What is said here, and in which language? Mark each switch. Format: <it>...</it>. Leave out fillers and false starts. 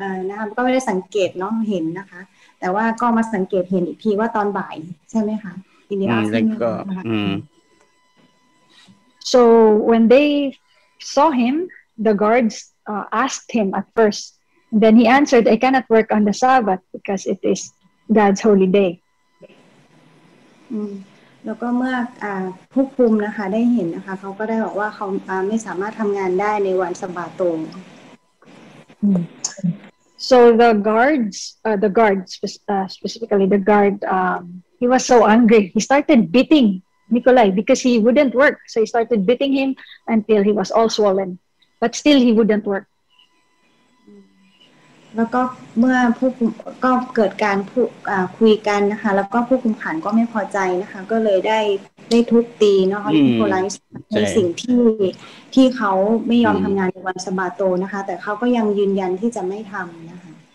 <th>นะคะก็ไม่ได้สังเกตเนาะเห็นนะคะแต่ว่าก็มาสังเกตเห็นอีกทีว่าตอนบ่ายใช่ไหมคะ อินเดียแล้วก็</th> <en>so when they saw him the guards asked him at first then he answered I cannot work on the Sabbath because it is God's holy day</en> <th>แล้วก็เมื่อผู้คุมนะคะได้เห็นนะคะเขาก็ได้บอกว่าเขาไม่สามารถทำงานได้ในวันสะบาโต</th> <en>So the guards the guards specifically the guard he was so angry he started beating Nikolai because he wouldn't work so he started beating him until he was all swollen but still he wouldn't work</en> <th>แล้วก็เมื่อผู้คุมก็เกิดการคุยกันนะคะแล้วก็ผู้คุมขันก็ไม่พอใจนะคะก็เลยได้ทุบตีเนาะนิโคไลส์ในสิ่งที่เขาไม่ยอมทำงานในวันสะบาโตนะคะแต่เขาก็ยังยืนยันที่จะไม่ทำนะคะ</th>